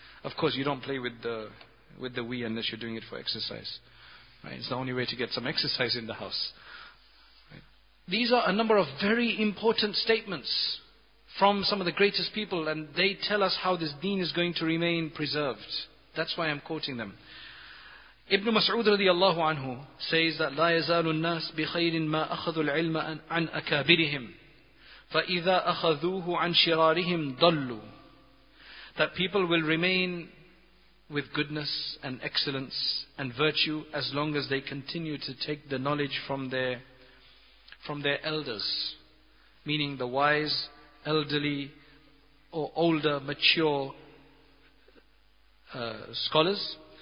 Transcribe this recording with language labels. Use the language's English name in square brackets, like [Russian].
[English] Of course, you don't play with the Wii unless you're doing it for exercise. Right? It's the only way to get some exercise in the house. These are a number of very important statements from some of the greatest people, and they tell us how this deen is going to remain preserved. That's why I'm quoting them. Ibn Mas'ud radiallahu anhu says that [Arabic] لَا يَزَالُ النَّاسِ بِخَيْرٍ مَا أَخَذُوا الْعِلْمَ عَنْ أَكَابِرِهِمْ فَإِذَا أَخَذُوهُ عَنْ شِرَارِهِمْ ضَلُّوا. [English] That people will remain with goodness and excellence and virtue as long as they continue to take the knowledge from their from their elders, meaning the wise, elderly, or older, mature scholars.